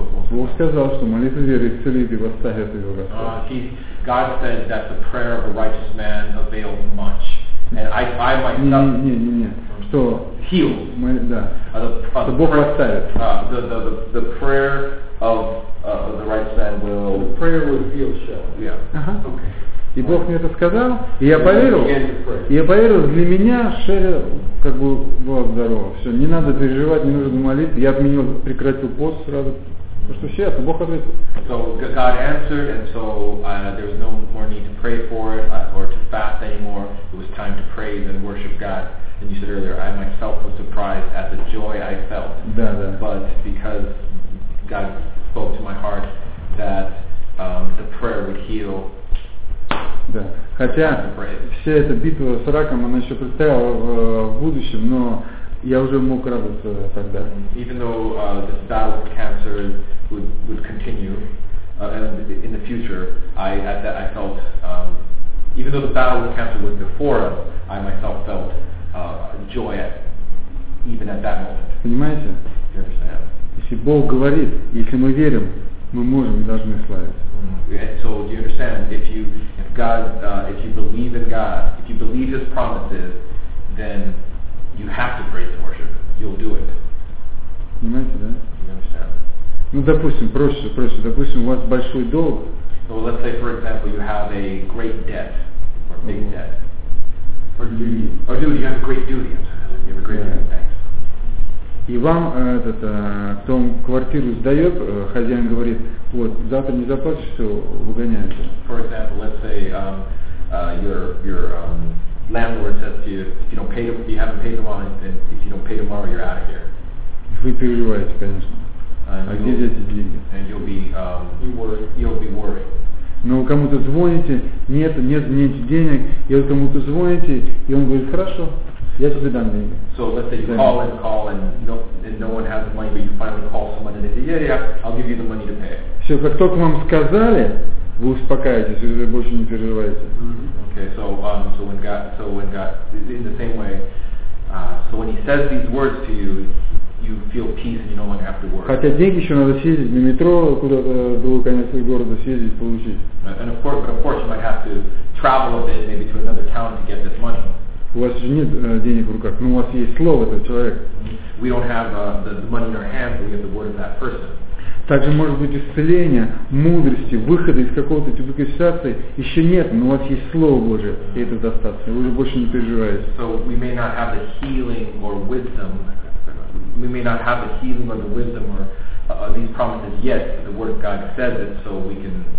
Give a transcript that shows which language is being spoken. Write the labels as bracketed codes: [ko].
[ru] Бог сказал, что молитва веры исцелит и восставит его Господь. [en] God said that the prayer of a righteous man availed much. And I myself [ru] что [en] healed. [ru] Мы, да. Что Бог восставит. [en] The prayer of the righteous man will. The prayer will heal, shall. Yeah. [ru] Okay. И Бог мне это сказал, и я поверил. И я поверил, для меня Шерри как бы была здорова. Все, не надо переживать, не нужно молиться. Я отменил, прекратил пост сразу. Потому что все это, Бог ответил. [en] So God answered, and so there was no more need to pray for it or to fast anymore. It was time to praise and worship God. And you said earlier, I myself was surprised at the joy I felt. [ru] Да, да. [en] But because God spoke to my heart that the prayer would heal. [ru] Да. Хотя вся эта битва с раком, она еще предстояла в будущем, но я уже мог радоваться тогда. [en] Even though this battle with cancer would continue in the future, I felt even though the battle with cancer was before us, I myself felt joy at, even at that moment. [ru] Понимаете? [en] You understand? [ru] Если Бог говорит, если мы верим, мы можем и должны славить. [en] And so do you understand? If you believe in God, if you believe His promises, then you have to praise and worship. You'll do it. [ru] Понимаете, да? [en] You understand? [ru] Ну, допустим, проще. Допустим, у вас большой долг. [en] So let's say, for example, you have a great debt or big debt. Or duty. Or duty. You have a great duty. I'm sorry. You have a great duty. Thanks. [ru] И вам этот, кто вам квартиру сдает, хозяин говорит, вот, завтра не заплатишь, все, выгоняете. [en] For example, let's say your landlord says to you, if you don't pay them, if you haven't paid tomorrow, then if you don't pay tomorrow, you're out of here. [ru] Вы переживаете, конечно. А где взять эти деньги? [en] And you'll be worried. [ru] Но вы кому-то звоните, нет денег, и вы кому-то звоните, и он говорит, хорошо. Я тебе дам деньги. [en] So let's say you call and no one has the money, but you finally call someone and they say, yeah, I'll give you the money to pay. [ru] Все, как только вам сказали, вы успокаиваетесь, вы больше не переживаете. Mm-hmm. [en] Okay, so when God in the same way, so when He says these words to you, you feel peace and you no longer have to worry. [ru] Хотя деньги еще надо съездить на метро, куда-то другой конец города съездить, получить. [en] And of course you might have to travel a bit, maybe to another town to get this money. [ru] У вас же нет денег в руках, но у вас есть слово этого человека. [en] We don't have the money in our hands, but we have the word of that person. [ru] Также может быть исцеление, мудрости, выхода из какого-то типа ситуации еще нет, но у вас есть Слово Божие, и это достаточно. Вы уже больше не переживаете. [en] So we may not have the healing or wisdom. We may not have the healing or the wisdom or these promises yet, but the Word of God says it, so we can.